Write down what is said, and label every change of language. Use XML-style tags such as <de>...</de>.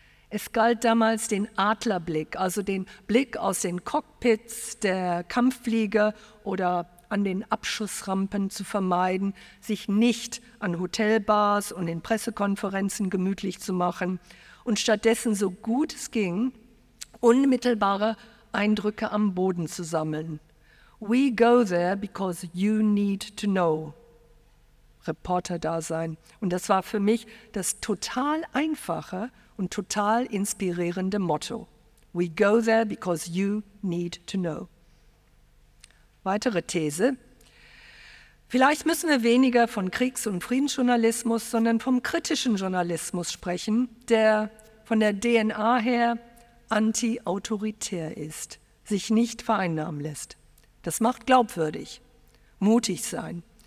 <de>Es galt damals den Adlerblick, also den Blick aus den Cockpits der Kampfflieger oder an den Abschussrampen zu vermeiden, sich nicht an Hotelbars und in Pressekonferenzen gemütlich zu machen und stattdessen so gut es ging, unmittelbare Eindrücke am Boden zu sammeln.</de> <en>We go there because you need to know.</en> <de>Reporter-Dasein. Und das war für mich das total einfache und total inspirierende Motto.</de> <en>We go there because you need to know.</en> <de>Weitere These. Vielleicht müssen wir weniger von Kriegs- und Friedensjournalismus, sondern vom kritischen Journalismus sprechen, der von der DNA her anti-autoritär ist, sich nicht vereinnahmen lässt. Das macht glaubwürdig. Mutig sein.</de>